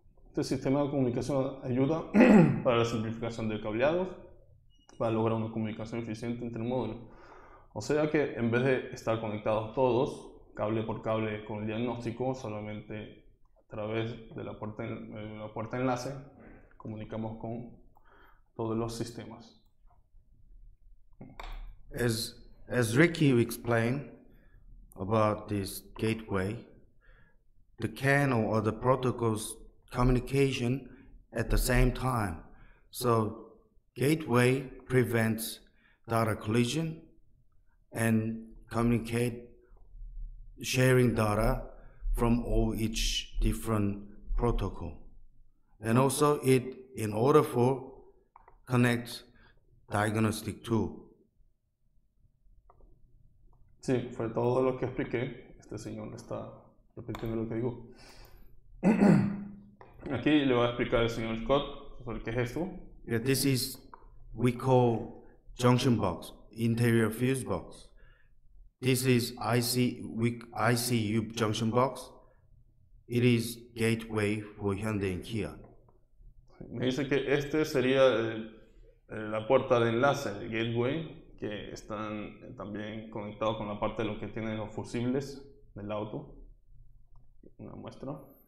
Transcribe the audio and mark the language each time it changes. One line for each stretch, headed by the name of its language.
Spanish: Este sistema de comunicación ayuda para la simplificación de cableados, para lograr una comunicación eficiente entre módulos. O sea que en vez de estar conectados todos, cable por cable con el diagnóstico, solamente a través de la puerta de enlace, comunicamos con todos los sistemas.
English: As Ricky explained about this gateway, the CAN or the protocols communication at the same time. So gateway prevents data collision and communicate sharing data from all each different protocol. And also it in order for connect diagnostic tool.
Spanish: Sí, fue todo lo que expliqué. Este señor está repitiendo lo que digo. Aquí le voy a explicar al señor Scott sobre qué es esto.
English: Yeah, this is we call junction box, interior fuse box. This is ICU junction box. It is gateway for Hyundai and Kia.
Spanish: Me dice que este sería la puerta de enlace, el gateway, que están también conectados con la parte de lo que tienen los fusibles del auto. Una muestra.